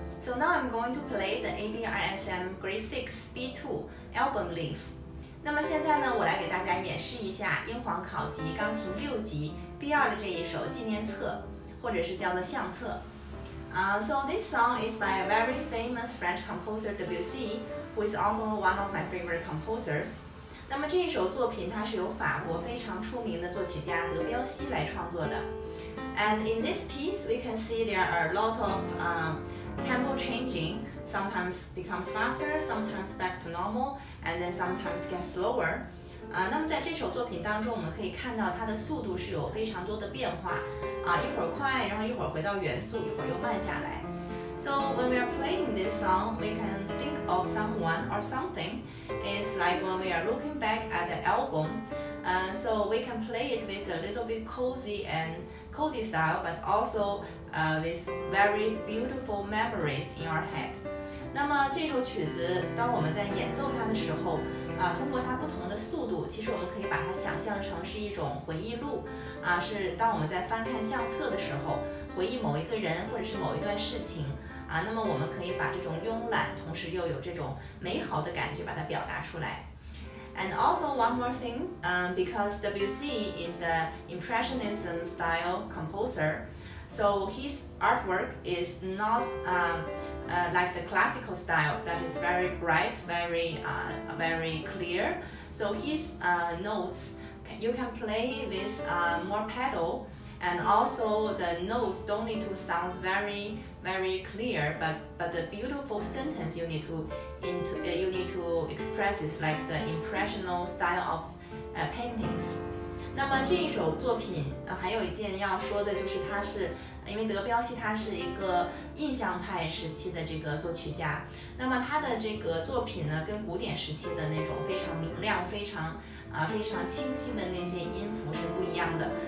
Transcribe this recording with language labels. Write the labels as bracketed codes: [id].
[en] So now I'm going to play the ABRSM Grade 6 B2 Album Leaf. [zh] 那么现在呢，我来给大家演示一下英皇考级钢琴六级 B2 的这一首纪念册，或者是叫做相册。 [en] So this song is by a very famous French composer Debussy, who is also one of my favorite composers. [zh] 那么这一首作品它是由法国非常出名的作曲家德彪西来创作的。 [en] And in this piece, we can see there are a lot of tempo changing, sometimes becomes faster, sometimes back to normal, and then sometimes gets slower. [zh] 那么在这首作品当中，我们可以看到它的速度是有非常多的变化，一会儿快，然后一会儿回到原速，一会儿又慢下来。 [en] So when we are playing this song, we can think of someone or something. It's like when we are looking back at the album. So we can play it with a little bit cozy style, but also with very beautiful memories in our head. [zh] 那么这首曲子，当我们在演奏它的时候，通过它不同的速度，其实我们可以把它想象成是一种回忆录，是当我们在翻看相册的时候，回忆某一个人或者是某一段事情，那么我们可以把这种慵懒，同时又有这种美好的感觉，把它表达出来。 [en] And also one more thing, because Debussy is the impressionism style composer, so his artwork is not like the classical style that is very bright, very clear. So his notes, you can play with more pedal, and also the notes don't need to sound very clear, but the beautiful sentence you need to express is like the impressional style of paintings. [zh] 那么这一首作品还有一件要说的，就是它是因为德彪西他是一个印象派时期的这个作曲家，那么他的这个作品呢，跟古典时期的那种非常明亮、非常清晰的那些音符是不一样的。